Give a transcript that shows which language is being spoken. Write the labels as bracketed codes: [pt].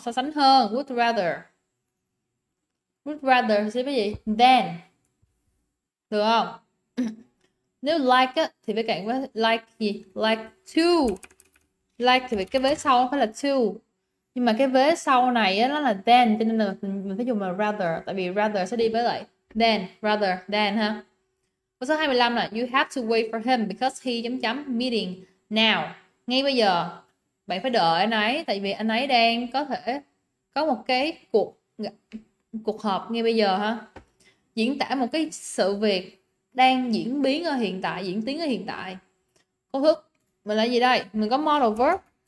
[vi] So sánh hơn, would rather. Would rather sẽ cái gì? Then. Được không? Nếu like á, thì phải cạnh với like gì? Like to. Like thì cái vế sau nó phải là to. Nhưng mà cái vế sau này á, nó là then, cho nên là mình phải dùng là rather. Tại vì rather sẽ đi với lại then, rather, then ha. Câu số 25 là [en] you have to wait for him because he [vi] chấm chấm [en] meeting now. [vi] Ngay bây giờ bạn phải đợi anh ấy tại vì anh ấy đang có thể có một cái cuộc họp ngay bây giờ ha. Diễn tả một cái sự việc đang diễn biến ở hiện tại, diễn tiến ở hiện tại. Câu thức mình là gì đây? Mình có modal verb.